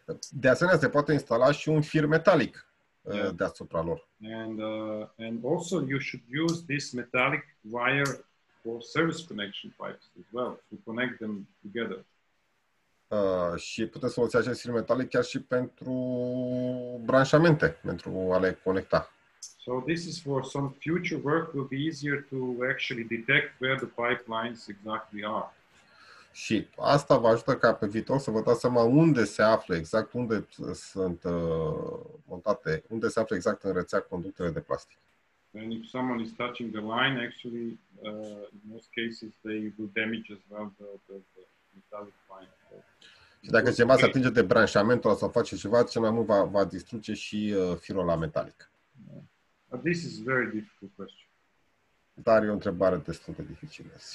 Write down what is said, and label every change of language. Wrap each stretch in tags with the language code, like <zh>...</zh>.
<ro>De asemenea, se poate instala și un fir metalic deasupra lor.</ro> <en>And also you should use this metallic wire for service connection pipes as well to connect them together.</en> <ro>Și puteți folosi acest fir metalic chiar și pentru branșamente, pentru a le conecta.</ro> <en>So this is for some future work will be easier to actually detect where the pipelines exactly are.</en> <ro>Și asta vă ajută ca pe viitor să vă dați seama unde se află exact, unde sunt montate, unde se află exact în rețea conductele de plastic.</ro> <en>And if someone is touching the line, actually, in most cases, they will damage as well the metallic line.</en> <ro>Și dacă cineva se atinge de branșamentul sau face ceva, cel mai mult va distruge și firul ăla metalic.</ro> <en>But this is a very difficult question.</en> <ro>Dar e o întrebare destul de dificilă.</ro>